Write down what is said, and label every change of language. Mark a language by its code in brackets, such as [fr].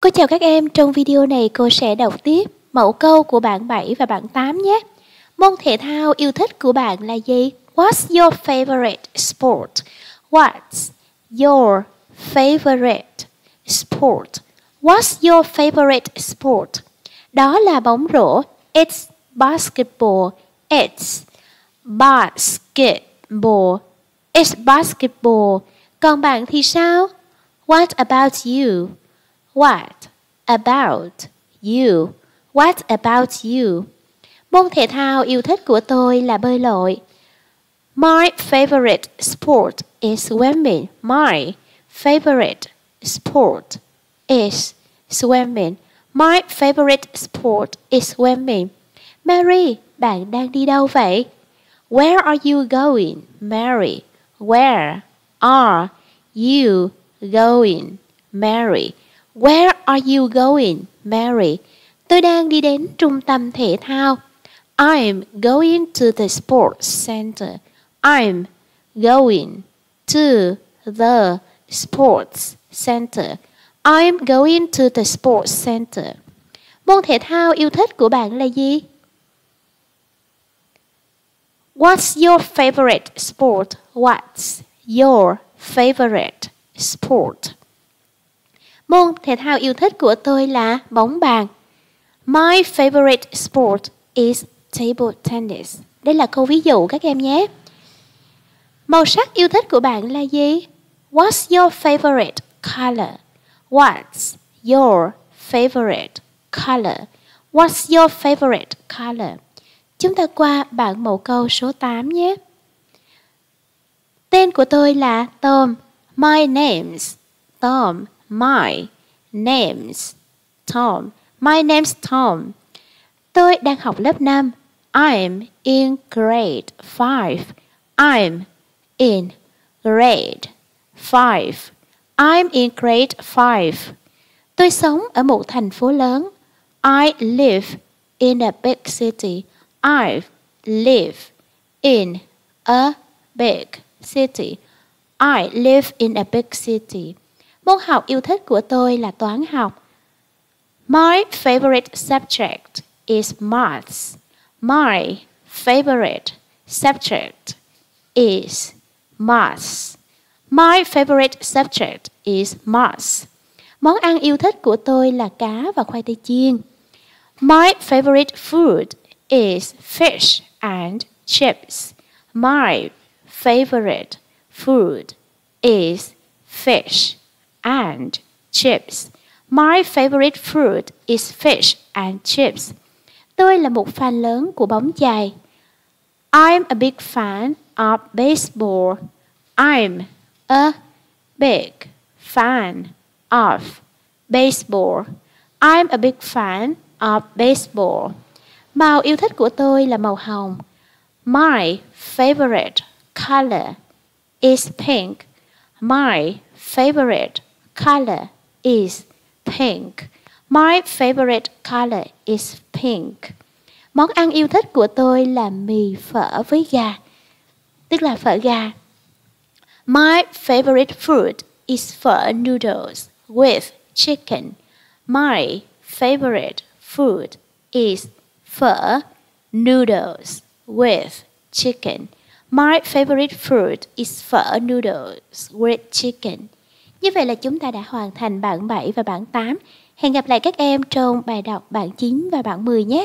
[vi] Cô chào các em, trong video này cô sẽ đọc tiếp mẫu câu của bạn 7 và bạn 8 nhé. Môn thể thao yêu thích của bạn là gì? [en] What's your favorite sport? What's your favorite sport? What's your favorite sport? [vi] Đó là bóng rổ. [en] It's basketball. It's basketball. It's basketball. [vi] Còn bạn thì sao? [en] What about you? What about you? What about you? [vi] Môn thể thao yêu thích của tôi là bơi lội. [en] My favorite sport is swimming. My favorite sport is swimming. My favorite sport is swimming. [vi] Mary, bạn đang đi đâu vậy? [en] Where are you going, Mary? Where are you going, Mary? Where are you going, Mary? [vi] Tôi đang đi đến trung tâm thể thao. [en] I'm going to the sports center. I'm going to the sports center. I'm going to the sports center. [vi] Môn thể thao yêu thích của bạn là gì? [en] What's your favorite sport? What's your favorite sport? [vi] Môn thể thao yêu thích của tôi là bóng bàn. [en] My favorite sport is table tennis. [vi] Đây là câu ví dụ các em nhé. Màu sắc yêu thích của bạn là gì? [en] What's your favorite color? What's your favorite color? What's your favorite color? [vi] Chúng ta qua bạn mẫu câu số 8 nhé. Tên của tôi là Tom. [en] My name's Tom. My name's Tom. My name's Tom. [vi] Tôi đang học lớp 5. [en] I'm in grade 5. I'm in grade 5. I'm in grade 5. [vi] Tôi sống ở một thành phố lớn. [en] I live in a big city. I live in a big city. I live in a big city. [vi] Môn học yêu thích của tôi là toán học. [en] My favorite subject is maths. My favorite subject is maths. My favorite subject is maths. [vi] Món ăn yêu thích của tôi là cá và khoai tây chiên. [en] My favorite food is fish and chips. My favorite food is fish and chips. My favorite food is fish and chips. [vi] Tôi là một fan lớn của bóng chày. [en] I'm a big fan of baseball. I'm a big fan of baseball. I'm a big fan of baseball. [vi] Màu yêu thích của tôi là màu hồng. [en] My favorite color is pink. My favorite color is pink. My favorite color is pink. [vi] Món ăn yêu thích của tôi là mì phở với gà, tức là phở gà. [en] My favorite food is pho noodles with chicken. My favorite food is pho noodles with chicken. My favorite food is pho noodles with chicken. [vi] Như vậy là chúng ta đã hoàn thành bảng 7 và bảng 8. Hẹn gặp lại các em trong bài đọc bảng 9 và bảng 10 nhé.